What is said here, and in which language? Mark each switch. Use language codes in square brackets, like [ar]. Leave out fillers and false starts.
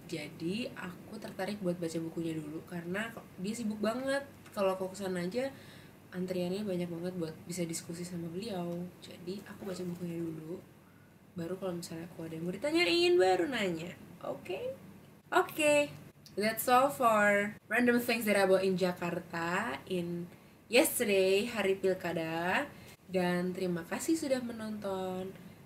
[id] Jadi aku tertarik buat baca bukunya dulu karena dia sibuk banget. Kalau aku kesana aja antriannya banyak banget buat bisa diskusi sama beliau. Jadi aku baca bukunya dulu, baru kalau misalnya aku ada yang mau ditanyain baru nanya. Oke? Okay? Okay. [en] That's all for random things that I bought in Jakarta in yesterday, [id] hari pilkada. Dan terima kasih sudah menonton.